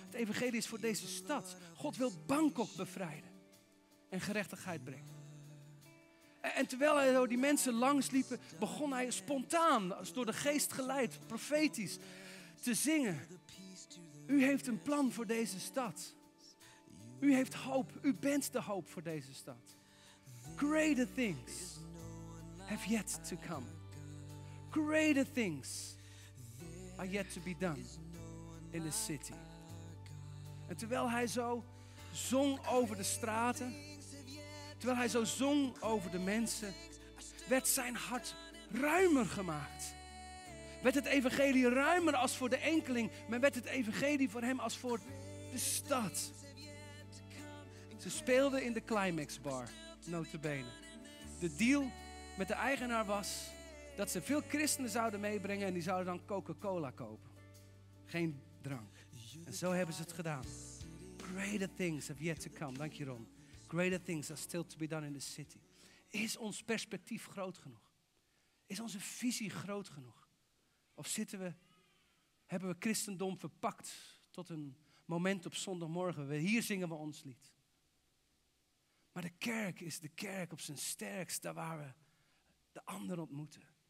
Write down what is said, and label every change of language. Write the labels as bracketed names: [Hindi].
[Dutch] Het evangelie is voor deze stad. God wil Bangkok bevrijden en gerechtigheid brengen. En terwijl hij door die mensen langsliepen, begon hij spontaan, door de geest geleid, profetisch, te zingen. U heeft een plan voor deze stad. U heeft hoop. U bent de hoop voor deze stad. [English] Greater things have yet to come. Greater things are yet to be done in the city. [Dutch] En terwijl hij zo zong over de straten, Terwijl hij zo zong over de mensen, werd zijn hart ruimer gemaakt. Werd het evangelie ruimer als voor de enkeling, maar werd het evangelie voor hem als voor de stad. Ze speelden in de Climax Bar, notabene. De deal met de eigenaar was dat ze veel christenen zouden meebrengen en die zouden dan Coca-Cola kopen. Geen drank. En zo hebben ze het gedaan. [English] Greater things have yet to come. [Dutch] Dank je, Ron. [English] Greater things are still to be done in the city. [Dutch] Is ons perspectief groot genoeg? Is onze visie groot genoeg? Of zitten we, hebben we christendom verpakt tot een moment op zondagmorgen? Hier zingen we ons lied. Maar de kerk is de kerk op zijn sterkst, daar waar we de ander ontmoeten.